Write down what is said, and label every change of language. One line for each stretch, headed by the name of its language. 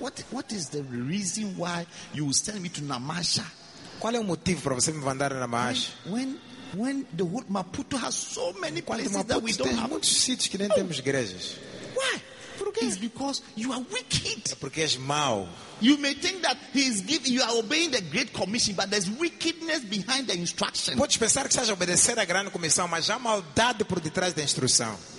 English: What is the reason why you will send me to Namasha?
Portuguese: Qual é o motivo para você me mandar a Namasha?
English: When the whole Maputo has so many places
Portuguese: Maputo
English: that we don't
Portuguese: tem
English: have.
Portuguese: Muitos sítios que nem oh. temos igrejas.
English: Why?
Portuguese: Por quê?
English: It's because you are wicked.
Portuguese: É porque és mau.
English: You may think that he is giving you are obeying the Great Commission, but there's wickedness behind the instruction.
Portuguese: Pode pensar que estás a obedecer a grande comissão, mas há maldade por detrás da instrução.